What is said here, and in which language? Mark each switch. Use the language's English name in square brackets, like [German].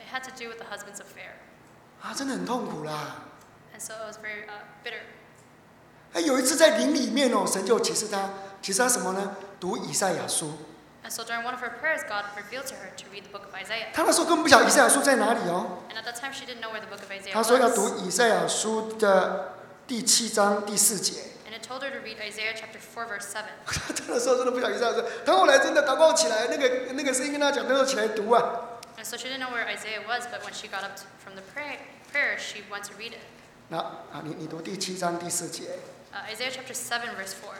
[English] It had to do with the husband's affair [Chinese] 真的很痛苦啦 [English] And so it was very bitter [Chinese] 有一次在灵里面神就启示他什么呢读以赛亚书 [English] And so during one of her prayers God revealed to her to read the book of Isaiah [Chinese] 她那时候根本不晓得以赛亚书在哪里 [English] And at that time she didn't know where the book of Isaiah was [Chinese] 她说要读以赛亚书的第七章第四节 [English] And it told her to read Isaiah chapter 4, verse 7. And so she didn't know where Isaiah was, but when she got up from the prayer, she went to read it. [Chinese] 那你读第七章第四节。 [English] Isaiah chapter 7, verse 4.